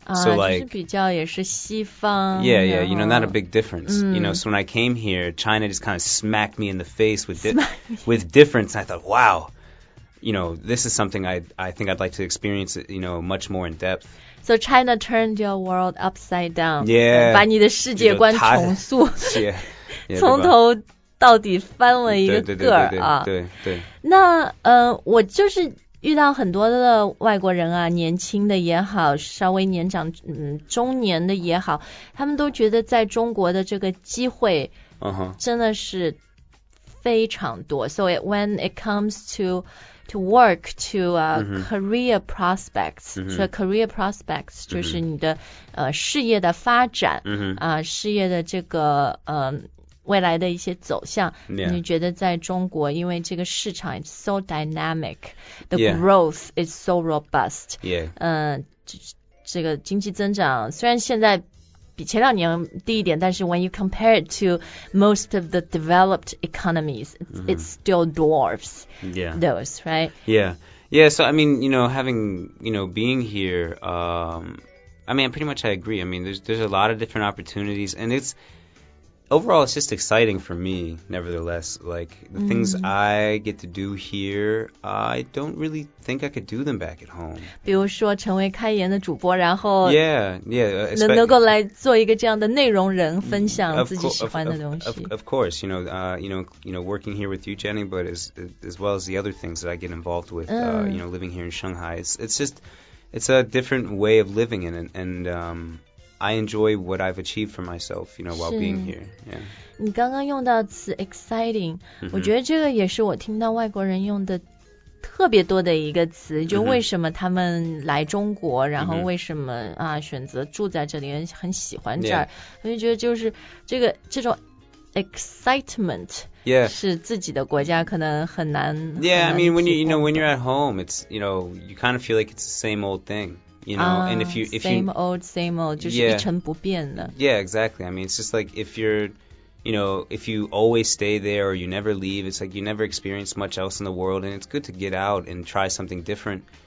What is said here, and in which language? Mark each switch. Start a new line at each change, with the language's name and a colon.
English: So like,
Chinese: 就是比较也是西方。
English: Yeah, yeah, you know, not a big difference. You know, so when I came here, China just kind of smacked me in the face with difference. I thought, wow, you know, this is something I think I'd like to experience, you know, much more in depth. So China turned your world upside down. Yeah.
Chinese: 把你的世界观重塑。从头到底翻了一个个儿啊。对。那我就是遇到很多的外国人啊年轻的也好稍微年长中年的也好他们都觉得在中国的这个机会真的是非常多。
English: So when it comes to work, to career prospects. So career prospects,
Chinese: 就是你的事业的发展事业的这个未来的一些走向。你觉得在中国因为这个市场
English: is so dynamic, the growth is so robust. Yeah.
Chinese: 这个经济增长虽然现在比前两年低一点但是
English: when you compare it to most of the developed economies, it still dwarfs those, right? Yeah. Yeah, so I mean, you know, having, you know, being here, I mean, pretty much I agree. I mean, there's a lot of different opportunities and it's, overall, it's just exciting for me, nevertheless. Like, the things I get to do here, I don't really think I could do them back at home.
Chinese: 比如说成为开言的主播然后能够来做一个这样的内容人分享自己喜欢的东西。
English: Of course, you know, working here with you, Jenny, but as well as the other things that I get involved with, you know, living here in Shanghai. It's a different way of living in it, and... I enjoy what I've achieved for myself, you know, while being here. Yeah.
Chinese: 你刚刚用到词 exciting, 我觉得这个也是我听到外国人用的特别多的一个词，就为什么他们来中国，嗯，然后为什么，嗯，啊选择住在这里，很喜欢这儿，
English: yeah.
Chinese: 我就觉得就是这个这种 excitement、
English: yeah.
Chinese: 是自己的国家可能很难。
English: Yeah, I mean when you know when you're at home, it's you know you kind of feel like it's the same old thing, you know,、and if you if same you, old same old
Chinese: 就是
English: yeah,
Chinese: 一成不变的。
English: Yeah, exactly. I mean it's just like if you're. You know, if you always stay there or you never leave, it's like you never experience much else in the world, and it's good to get out and try something different.